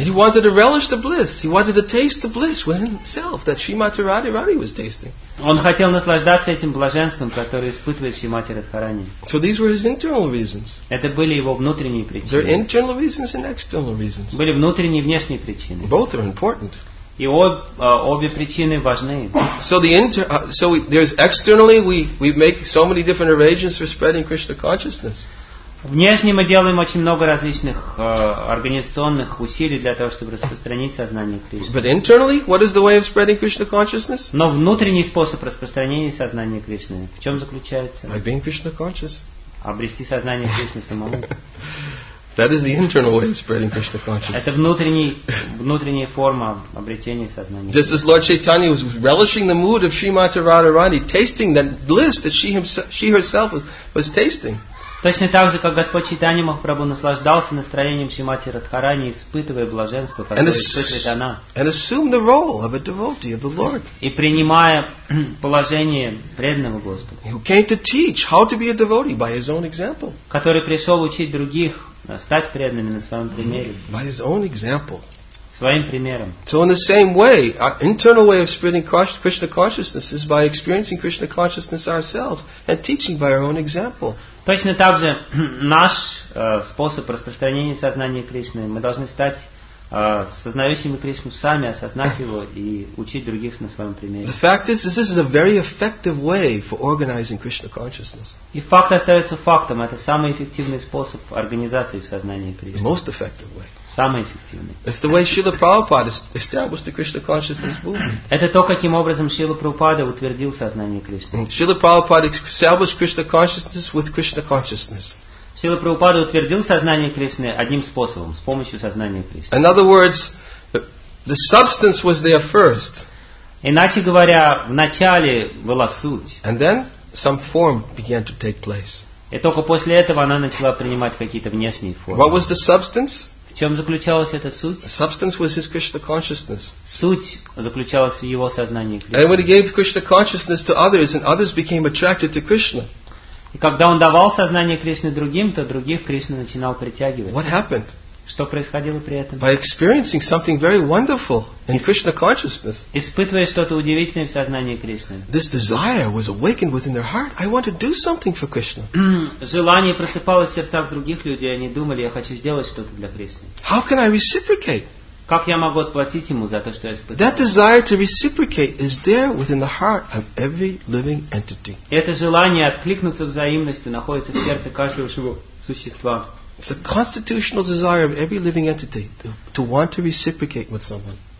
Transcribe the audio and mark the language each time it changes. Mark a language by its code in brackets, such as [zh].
[en] He wanted to relish the bliss. He wanted to taste the bliss within himself that Shrimati Radharani was tasting. [ru] Он хотел наслаждаться этим блаженством, которое испытывает Шримати Радхарани. [en] So these were his internal reasons. [ru] Это были его внутренние причины. [en] There are internal reasons and external reasons. [ru] Были внутренние и внешние причины. [en] Both are important. [ru] И обе причины важны. [en] So the so there's externally we make so many different arrangements for spreading Krishna consciousness. [ru] Внешне мы делаем очень много различных организационных усилий для того, чтобы распространить сознание Кришны. [en] But internally, what is the way of spreading Krishna consciousness? [ru] Но внутренний способ распространения сознания Кришны в чем заключается? [en] By being Krishna conscious. [ru] Обрести сознание Кришны самому. [en] That is the internal way of spreading Krishna consciousness. [ru] Это внутренняя форма обретения сознания. [en] Just as Lord Chaitanya was relishing the mood of Srimati Radharani, tasting that bliss that she herself was tasting. [ru] Точно так же, как Господь Чайтанья Махапрабху наслаждался настроением Шримати Радхарани, испытывая блаженство, которое испытывает она. И принимая положение преданного Господа. Который пришел учить других стать преданными на своем примере. [en] By his own example. [ru] Своим примером. [en] So in the same way, our internal way of spreading Krishna consciousness is by experiencing Krishna consciousness ourselves and teaching by our own example. [ru] Точно так же наш способ распространения сознания Кришны. Мы должны стать сознающими Кришну сами, осознать его и учить других на своем примере. [en] The fact is, this is a very effective way for organizing Krishna consciousness. [ru] И факт остается фактом. Это самый эффективный способ организации в сознании Кришны. [en] The most effective way. [ru] Самый эффективный. [en] It's the way Srila Prabhupada established the Krishna consciousness movement. [ru] Это то, каким образом Шрила Прабхупада утвердил сознание Кришны. [en] Srila Prabhupada established Krishna consciousness with Krishna consciousness. [ru] Шрила Прабхупада утвердил сознание Кришны одним способом, с помощью сознания Кришны. [en] In other words, the substance was there first. [ru] Иначе говоря, в начале была суть. [en] And then some form began to take place. [ru] И только после этого она начала принимать какие-то внешние формы. [en] What was the substance? [ru] В чем заключалась эта суть? [en] Substance was his Krishna consciousness. [ru] Суть заключалась в его сознании. [en] And when he gave Krishna consciousness to others, and others became attracted to Krishna. [ru] И когда он давал сознание Кришны другим, то других Кришна начинал притягивать. [en] What happened? [ru] Что происходило при этом? [en] By experiencing something very wonderful in Krishna consciousness. [ru] Испытывая что-то удивительное в сознании Кришны. [en] This desire was awakened within their heart. I want to do something for Krishna. [ru] Желание просыпалось в сердцах других людей. Они думали, я хочу сделать что-то для Кришны. [en] How can I reciprocate? [ru] Как я могу отплатить ему за то, что я испытал? [en] That desire to reciprocate is there within the heart of every living entity. [ru] Это желание откликнуться взаимностью находится в сердце каждого живого существа. [en] It's a constitutional desire of every living entity to want to reciprocate with someone.